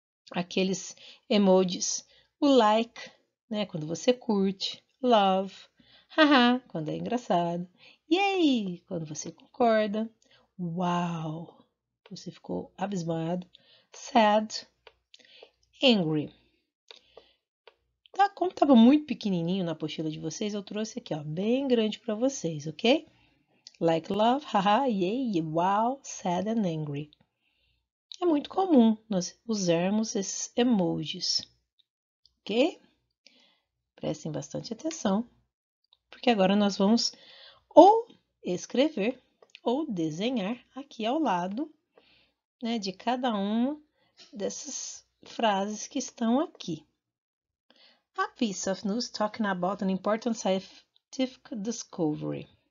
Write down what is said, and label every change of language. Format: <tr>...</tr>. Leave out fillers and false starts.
<pt>Aqueles emojis, o like, quando você curte, love, haha, quando é engraçado, yay, quando você concorda, wow, você ficou abismado, sad, angry. Como estava muito pequenininho na apostila de vocês, eu trouxe aqui, bem grande para vocês, ok?</pt> <en>Like, love, haha, yay, wow, sad and angry.</en> <pt>É muito comum nós usarmos esses emojis, ok? Prestem bastante atenção, porque agora nós vamos ou escrever ou desenhar aqui ao lado, de cada uma dessas frases que estão aqui.</pt> <en>A piece of news talking about an important scientific discovery.</en>